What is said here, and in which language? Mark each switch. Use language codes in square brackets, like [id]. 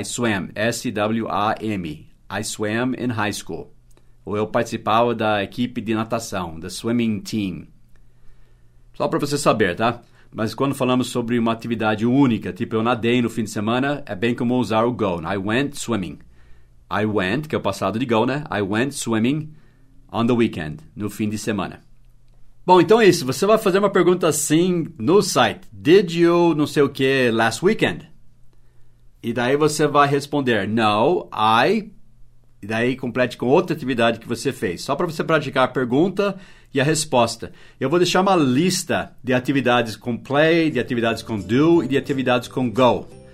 [en] I swam, S-W-A-M. I swam in high school. [pt] Ou eu participava da equipe de natação, [en] the swimming team. [pt] Só para você saber, tá? Mas quando falamos sobre uma atividade única, tipo eu nadei no fim de semana, é bem comum usar o go. [en] I went swimming. I went, [pt] que é o passado de go, né? [en] I went swimming on the weekend, [pt] no fim de semana. Bom, então é isso. Você vai fazer uma pergunta assim no site. [en] Did you [pt] não sei o que [en] last weekend? [pt] E daí você vai responder, [en] no, I... [pt] E daí complete com outra atividade que você fez. Só para você praticar a pergunta e a resposta. Eu vou deixar uma lista de atividades com play, de atividades com do e de atividades com go.